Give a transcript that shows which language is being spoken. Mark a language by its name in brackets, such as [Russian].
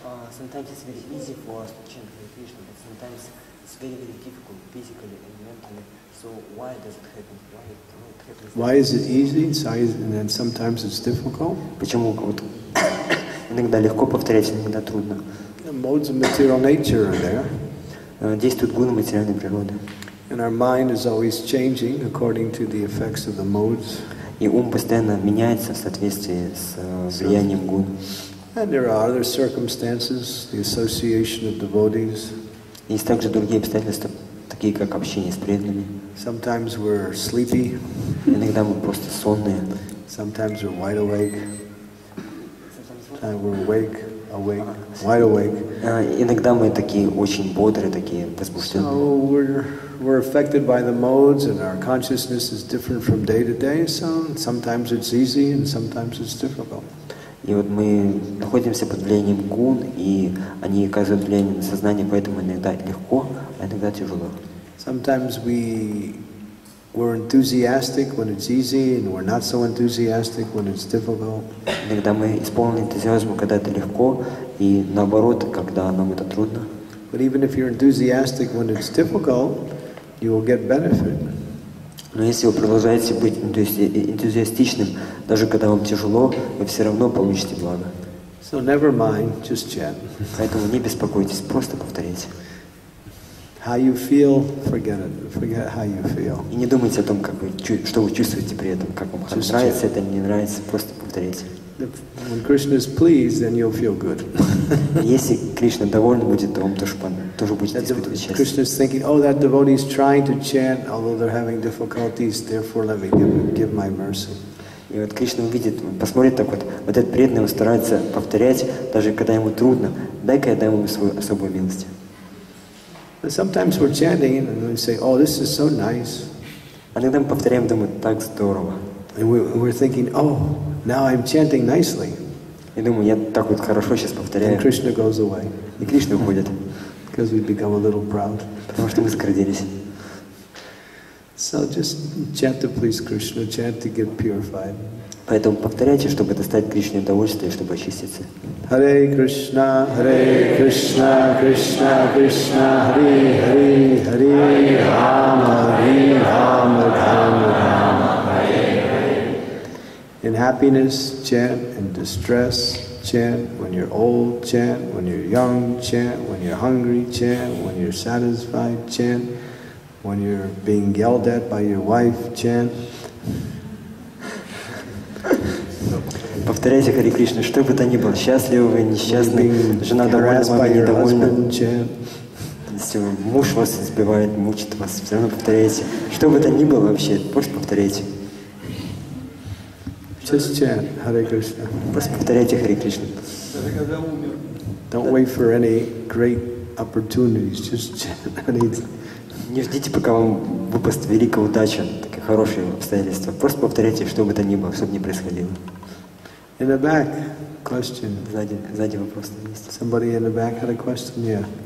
[English] Sometimes it's very easy for us to chant Hare Krishna, but sometimes it's very, very difficult physically and mentally. So why does it happen? Why it happens? Why is it easy inside and then sometimes it's difficult? [Russian] Почему вот иногда легко повторять, иногда трудно? [English] The modes of material nature are there. [Russian] Действуют гуны материальной природы. [English] And our mind is always changing according to the effects of the modes. [Russian] И ум постоянно меняется в соответствии с влиянием гун. [English] And there are other circumstances, the association of devotees. [Russian] Есть также другие обстоятельства, такие как общение с преданными. [English] Sometimes we're sleepy. [Russian] Иногда мы просто сонные. [English] Sometimes we're wide awake. Sometimes we're awake, awake, wide awake. [Russian] Иногда мы такие очень бодрые, такие возбужденные. [English] So we're affected by the modes, and our consciousness is different from day to day. So sometimes it's easy, and sometimes it's difficult. [Russian] И вот мы находимся под влиянием гун, и они оказывают влияние на сознание, поэтому иногда легко, а иногда тяжело. [English] Sometimes we're enthusiastic when it's easy, and we're not so enthusiastic when it's difficult. [Russian] Иногда мы исполнены энтузиазмом, когда это легко, и наоборот, когда нам это трудно. [English] But even if you're enthusiastic when it's difficult, you will get benefit. [Russian] Но если вы продолжаете быть энтузиастичным, даже когда вам тяжело, вы все равно получите благо. [English] So never mind, just chant. [Russian] Поэтому не беспокойтесь, просто повторите. [English] How you feel, forget it. Forget how you feel. [Russian] И не думайте о том, как вы, что вы чувствуете при этом, как вам [English] just [Russian] нравится [English] chant. [Russian] Это, не нравится, просто повторите. [English] When Krishna is pleased, then you'll feel good. [Russian] Если Кришна доволен будет, то вам тоже будет испытывать счастье. [English] Krishna is thinking, oh, that devotee is trying to chant, although they're having difficulties. Therefore, let me give my mercy. [Russian] И вот Кришна увидит, посмотрит так вот, вот этот преданный старается повторять, даже когда ему трудно. Дай-ка я дам ему свою особую милость. [English] Sometimes we're chanting and we say, oh, this is so nice. [Russian] А иногда мы повторяем, думаем, так здорово. [English] And we're thinking, oh. Now I'm chanting nicely. [Russian] И думаю, я так вот хорошо сейчас повторяю. [English] And Krishna goes away. [Russian] И Кришна уходит. [English] Because we become a little proud. [Russian] Потому что мы сгордились. [English] So just chant to please Krishna, chant to get purified. [Russian] Поэтому повторяйте, чтобы достать Кришне удовольствие, чтобы очиститься. [Sanskrit] Hare Krishna, Hare Krishna, Krishna Krishna, Hare Hare, Hare Rama, Hare Rama, Rama Rama. [English] In happiness, chant. In distress, chant. When you're old, chant. When you're young, chant. When you're hungry, chant. When you're satisfied, chant. When you're being yelled at by your wife, chant. [Russian] Повторяйте, Хари Кришна, что бы то ни было, счастливы вы, несчастны, жена довольна, мама недовольна. Если муж вас избивает, мучит вас, все равно повторяйте. Что бы то ни было вообще, просто повторяйте. [English] Just chant Hare Krishna. [Russian] Просто повторяйте Хари Кришна. [English] Don't wait for any great opportunities. Just chant. [Russian] Не ждите, пока вам выпаст великая удача, такие хорошие обстоятельства. Просто повторяйте, что бы то ни было, что бы ни происходило. [English] In the back, question. [Russian] Сзади вопрос есть. [English] Somebody in the back had a question, yeah.